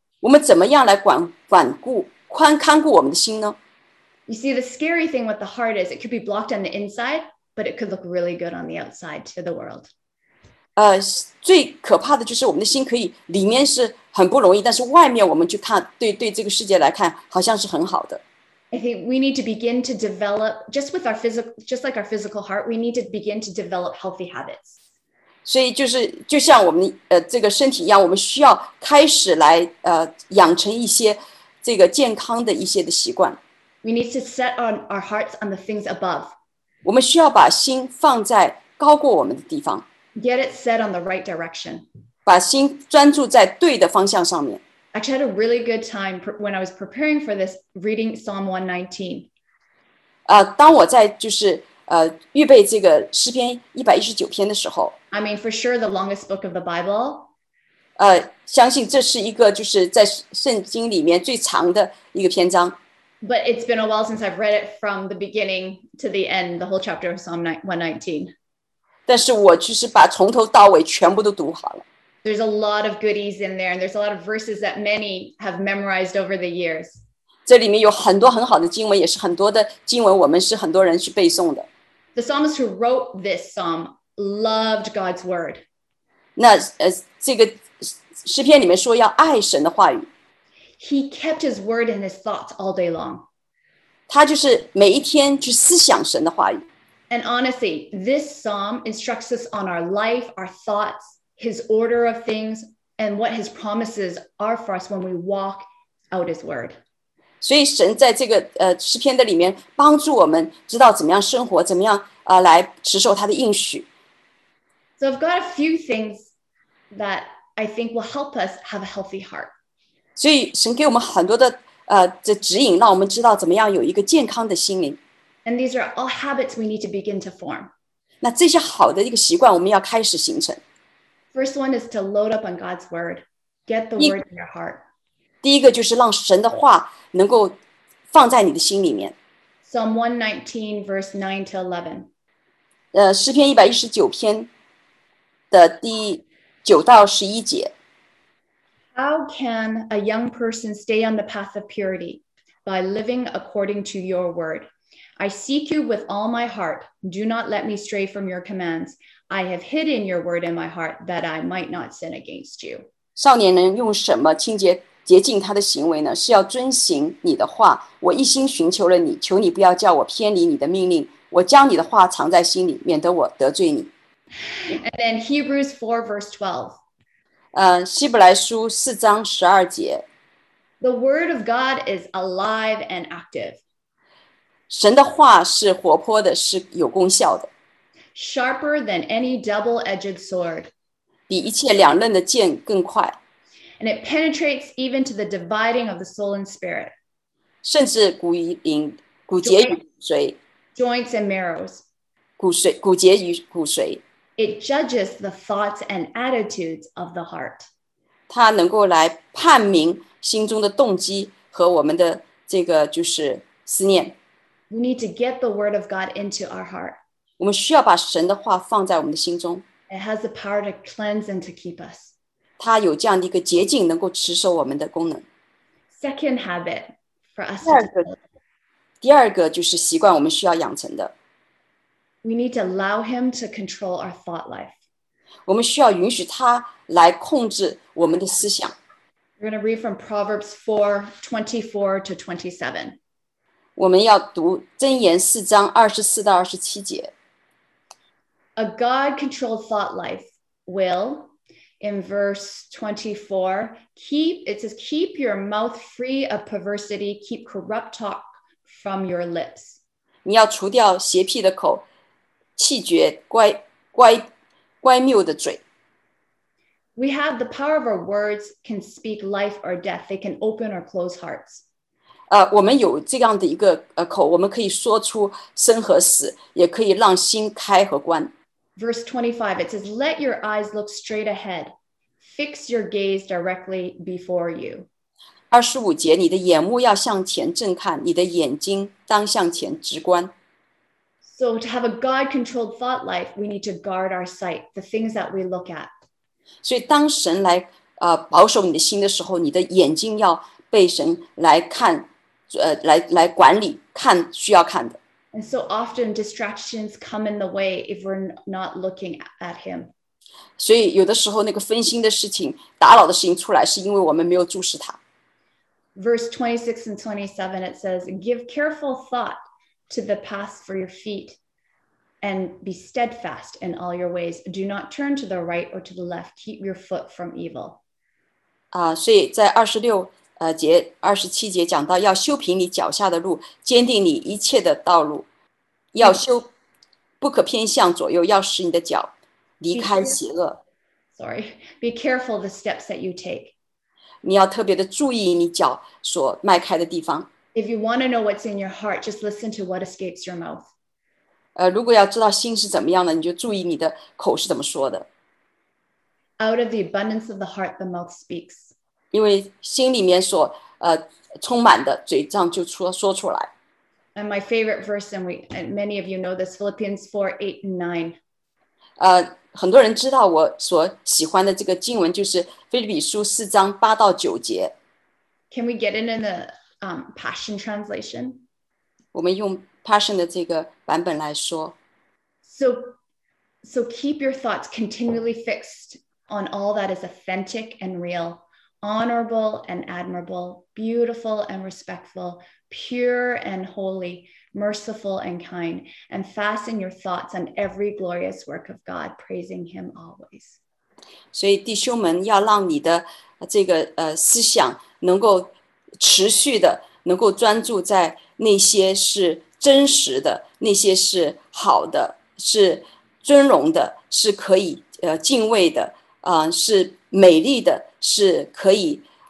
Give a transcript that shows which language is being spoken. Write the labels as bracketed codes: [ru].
[zh] 我们怎么样来管顾我们的心呢？ [en] You see, the scary thing with the heart is it could be blocked on the inside, but it could look really good on the outside to the world. [zh] 最可怕的就是我们的心可以里面是很不容易，但是外面我们去看，对这个世界来看，好像是很好的。 [en] I think we need to begin to develop, just with our physical, just like our physical heart, we need to begin to develop healthy habits. [zh] 所以就是就像我们这个身体一样，我们需要开始来养成一些这个健康的一些的习惯。 [en] We need to set on our hearts on the things above. [zh] 我们需要把心放在高过我们的地方。 [en] Get it set on the right direction. [zh] 把心专注在对的方向上面。 [en] I actually had a really good time when I was preparing for this, reading Psalm 119. [zh] 当我在就是预备这个诗篇119篇的时候。 [en] I mean, for sure, the longest book of the Bible. [zh] 相信这是一个就是在圣经里面最长的一个篇章。 [en] But it's been a while since I've read it from the beginning to the end, the whole chapter of Psalm 119. [zh] 但是我就是把从头到尾全部都读好了。 [en] There's a lot of goodies in there, and there's a lot of verses that many have memorized over the years. [zh] 这里面有很多很好的经文，也是很多的经文，我们是很多人去背诵的。 [en] The psalmist who wrote this psalm loved God's word. [zh] 那这个诗篇里面说要爱神的话语。 [en] He kept his word in his thoughts all day long. [zh] 他就是每一天去思想神的话语。 [en] And honestly, this psalm instructs us on our life, our thoughts. His order of things and what his promises are for us when we walk out his word. [zh] 所以神在这个诗篇的里面帮助我们知道怎么样生活，怎么样来持守他的应许。 [en] So I've got a few things that I think will help us have a healthy heart. [zh] 所以神给我们很多的这指引，让我们知道怎么样有一个健康的心灵。 [en] And these are all habits we need to begin to form. [zh] 那这些好的一个习惯，我们要开始形成。 [en] First one is to load up on God's word. Get the word in your heart. [zh] 第一个就是让神的话能够放在你的心里面。 [en] Psalm 119, verse 9 to 11. [zh] 诗篇119篇的第9到11节。 [en] How can a young person stay on the path of purity? By living according to your word. I seek you with all my heart. Do not let me stray from your commands. I have hidden your word in my heart that I might not sin against you. [zh] 少年人用什么清洁洁净他的行为呢？是要遵行你的话。我一心寻求了你，求你不要叫我偏离你的命令。我将你的话藏在心里，免得我得罪你。 [en] And then Hebrews 4 verse 12. [zh] 希伯来书四章十二节。 [en] The word of God is alive and active. [zh] 神的话是活泼的，是有功效的。 [en] Sharper than any double-edged sword. [zh] 比一切两刃的剑更快。 [en] And it penetrates even to the dividing of the soul and spirit. [zh] 甚至骨与灵、骨节与髓。 [en] Joints and marrows. [zh] 骨节与骨髓。 [en] It judges the thoughts and attitudes of the heart. [zh] 它能够来判明心中的动机和我们的这个就是思念。 [en] We need to get the word of God into our heart. [zh] 我们需要把神的话放在我们的心中。 [en] It has the power to cleanse and to keep us. [zh] 它有这样的一个洁净，能够持守我们的功能。 [en] Second habit for us. [zh] 第二个就是习惯，我们需要养成的。 [en] We need to allow him to control our thought life. [zh] 我们需要允许他来控制我们的思想。 [en] We're going to read from Proverbs 4, 24 to 27. [zh] 我们要读箴言四章二十四到二十七节。 [en] A God-controlled thought life will, in verse 24, keep your mouth free of perversity, keep corrupt talk from your lips. [zh] 你要除掉邪僻的口，弃绝乖谬的嘴。 [en] We have the power of our words can speak life or death. They can open or close hearts. [zh] 我们有这样的一个口，我们可以说出生和死，也可以让心开和关。 [en] Verse 25, it says, let your eyes look straight ahead. Fix your gaze directly before you. [zh] 25节，你的眼目要向前正看，你的眼睛当向前直观。 [en] So to have a God-controlled thought life, we need to guard our sight, the things that we look at. [zh] 所以当神来保守你的心的时候，你的眼睛要被神来看，来管理，看需要看的。 [en] And so often distractions come in the way if we're not looking at him. [zh] 所以有的时候那个分心的事情打扰的事情出来是因为我们没有注视他。 [en] Verse 26 and 27, it says, give careful thought to the path for your feet and be steadfast in all your ways. Do not turn to the right or to the left. Keep your foot from evil. [zh] 所以在26 节二十七节讲到要修平你脚下的路，坚定你一切的道路，要修，不可偏向左右，要使你的脚离开邪恶。 [en] Sorry, be careful the steps that you take. [zh] 你要特别的注意你脚所迈开的地方。 [en] If you want to know what's in your heart, just listen to what escapes your mouth. [zh] 如果要知道心是怎么样的，你就注意你的口是怎么说的。 [en] Out of the abundance of the heart, the mouth speaks. [zh] 因为心里面所充满的，嘴上就说出来。 [en] And my favorite verse, and many of you know this, Philippians 4, 8, and 9. [zh] 很多人知道我所喜欢的这个经文就是腓立比书四章八到九节。 [en] Can we get it in the Passion Translation? [zh] 我们用 Passion 的这个版本来说。 [en] So keep your thoughts continually fixed on all that is authentic and real, honorable and admirable, beautiful and respectful, pure and holy, merciful and kind, and fasten your thoughts on every glorious work of God, praising him always. [zh] 所以弟兄们要让你的这个思想能够持续的，能够专注在那些是真实的，那些是好的，是尊荣的，是可以敬畏的，是美丽的，是可以